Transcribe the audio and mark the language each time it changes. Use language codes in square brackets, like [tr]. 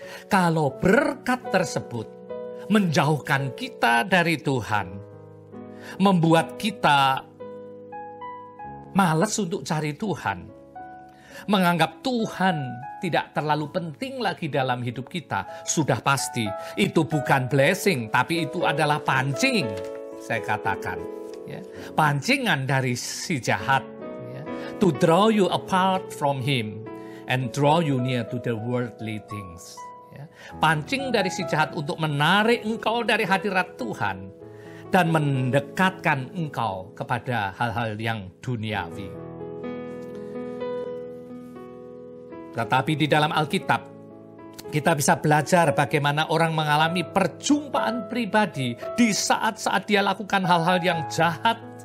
[id] Kalau berkat tersebut menjauhkan kita dari Tuhan, membuat kita malas untuk cari Tuhan, menganggap Tuhan tidak terlalu penting lagi dalam hidup kita, sudah pasti itu bukan blessing, tapi itu adalah pancing, saya katakan. Pancingan dari si jahat. [en] To draw you apart from him and draw you near to the worldly things. [id] Pancing dari si jahat untuk menarik engkau dari hadirat Tuhan dan mendekatkan engkau kepada hal-hal yang duniawi. Tetapi di dalam Alkitab, kita bisa belajar bagaimana orang mengalami perjumpaan pribadi di saat-saat dia lakukan hal-hal yang jahat.